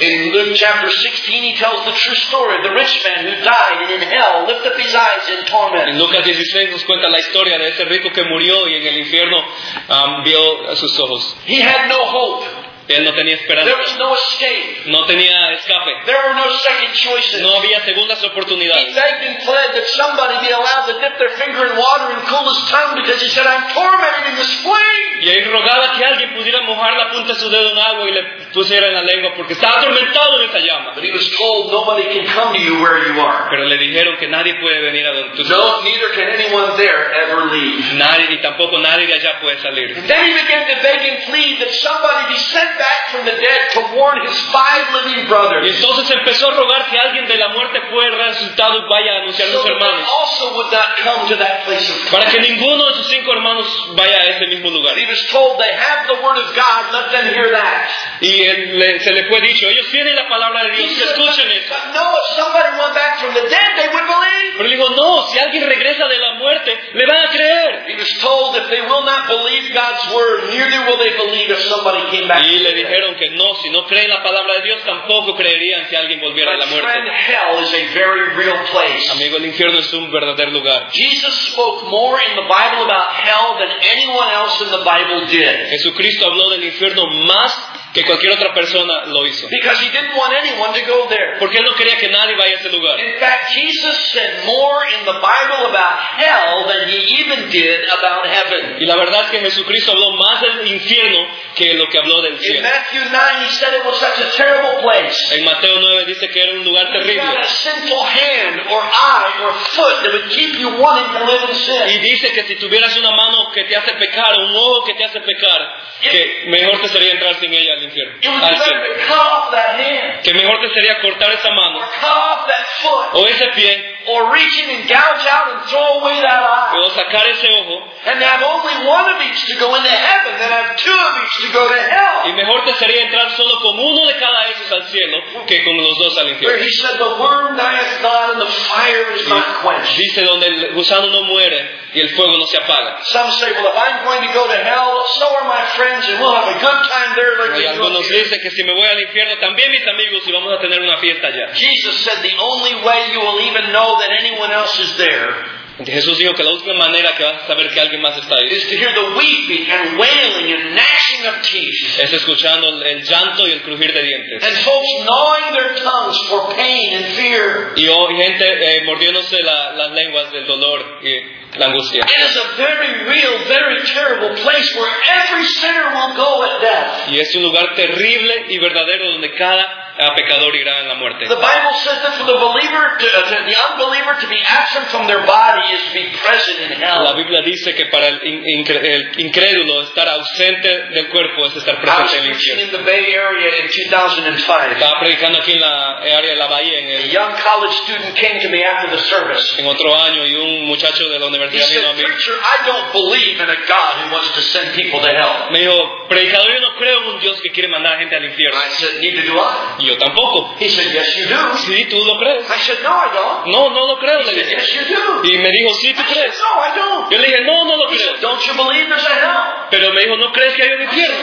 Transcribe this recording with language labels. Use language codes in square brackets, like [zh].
[en] In Luke chapter 16, he tells the true story of the rich man who died and in hell lifted up his eyes in torment. [es] En Lucas 16 nos cuenta la historia de ese rico que murió y en el infierno vio sus ojos. [en] He had no hope. [es] Él no tenía esperanza. [en] There was no escape. [es] No tenía escape. [en] There were no second choices. [es] No había segundas oportunidades. [en] He begged and pled that somebody be allowed to dip their finger in water and cool his tongue because he said, "I'm tormented in this flame." [es] Y él rogaba que alguien pudiera mojar la punta de su dedo en agua y le pusiera en la lengua porque estaba atormentado en esa llama. [en] But he was told nobody can come to you where you are. [es] Pero le dijeron que nadie puede venir a donde tú estás. [en] No, neither can anyone there ever leave. [es] Nadie, ni tampoco nadie de allá puede salir. [en] And then he began to beg and plead that somebody be sent back from the dead to warn his five living brothers. [es] Y entonces empezó a rogar que alguien de la muerte pueda resucitar y vaya a anunciar a sus hermanos. [en] So that also would not come to that place of. [es] Para que ninguno de sus cinco hermanos vaya a ese mismo lugar. [en] He was told they have the word of God. Let them hear that. [es] Y se le fue dicho, ellos tienen la palabra de Dios. Escuchen eso. [en] No, if somebody went back from the dead, they would believe. [es] Pero dijo, no, si alguien regresa de la muerte, le van a creer. [en] He was told if they will not believe God's word, neither will they believe if somebody came back. [es] Y le dijeron que no, si no creen la palabra de Dios, tampoco creerían si alguien volviera de la muerte. [en] Friend, hell is a very real place. [es] Amigo, el infierno es un verdadero lugar. [en] Jesus spoke more in the Bible about hell than anyone else in the Bible did. [es] Jesucristo habló del infierno más que cualquier otra persona lo hizo. [en] Because he didn't want anyone to go there. [es] Porque él no quería que nadie vaya a ese lugar. [en] In fact, Jesus said more in the Bible about hell than he even did about heaven. [es] Y la verdad es que Jesucristo habló más del infierno que lo que habló del cielo. [en] In Matthew 9, he said it was such a terrible place. [es] En Mateo 9 dice que era un lugar terrible. [en] He had a sinful hand or eye or foot that would keep you wanting to live in sin. [es] Y dice que si tuvieras una mano que te hace pecar, un ojo que te hace pecar, que mejor te sería entrar sin ella al infierno. Que mejor te sería cortar esa mano. O ese pie. [en] Or reaching and gouge out and throw away that eye. [es] O sacar ese ojo. [en] And have only one of each to go into heaven, then have two of each to go to hell. [es] Y mejor te sería entrar solo con uno de cada esos al cielo que con los dos al infierno. [en] Where he said the worm dieth not and the fire is not quenched. [es] Dice donde el gusano no muere y el fuego no se apaga. [en] Some say, well, if I'm going to go to hell, so are my friends, and we'll have a good time there. [es] Y algunos dicen que si me voy al infierno también mis amigos y vamos a tener una fiesta allá. [en] Jesus said the only way you will even know that anyone else is there. [es] Jesús dijo que la única manera que vas a saber que alguien más está ahí es escuchando el llanto y el crujir de dientes. [en] And folks gnawing their tongues for pain and fear. [es] Y gente mordiéndose las lenguas del dolor y la angustia. [en] It is a very real, very terrible place where every sinner will go at death. [es] Y es un lugar terrible y verdadero donde cada a pecador irá en la muerte. [en] The Bible says that for the believer, the unbeliever, to be absent from their body is to be present in hell. [es] La Biblia dice que para el incrédulo estar ausente del cuerpo es estar presente en el infierno. [en] I was preaching in the Bay Area in 2005. [es] Estaba predicando aquí en la área de la Bahía. [en] A young college student came to me after the service. [es] En otro año, y un muchacho de la universidad vino a mí. [en] He said, "Preacher, I don't believe in a God who wants to send people to hell." [es] Me dijo, predicador, yo no creo en un Dios que quiere mandar gente al infierno. [en] I said, "Neither do I." [es] Yo tampoco. [en] He said, "Yes, you do." [es] Sí, tú lo crees. [en] I said, "No, I don't." [es] No, no lo creo. [en] He said, "Yes, you do." [es] Y me dijo, "Sí, tú [en] I [es] crees." [en] Said, "No, I don't." [es] Yo le dije, "No, no lo [en] he [es] creo." [en] Said, "Don't you believe there's a hell?" [es] Pero me dijo, "¿No crees que hay un infierno?"